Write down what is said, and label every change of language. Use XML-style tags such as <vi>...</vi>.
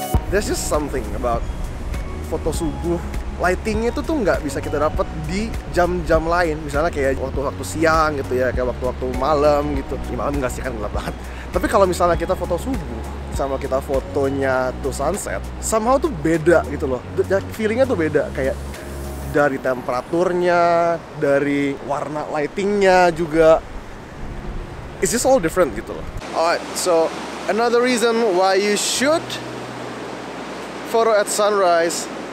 <en>There's just something about</en> <id>foto subuh. Lighting-nya itu tuh nggak bisa kita dapat di jam-jam lain. Misalnya kayak waktu-waktu siang gitu ya, kayak waktu-waktu malam gitu. Ini malam nggak sih, kan gelap banget. Tapi kalau misalnya kita foto subuh sama kita fotonya tuh sunset, somehow tuh beda gitu loh. Feeling-nya tuh beda, kayak dari temperaturnya, dari warna lighting-nya juga.</id> <en>It's just all different</en> <id>gitu loh.</id> <en>Alright, so another reason why you should photo at sunrise.</en>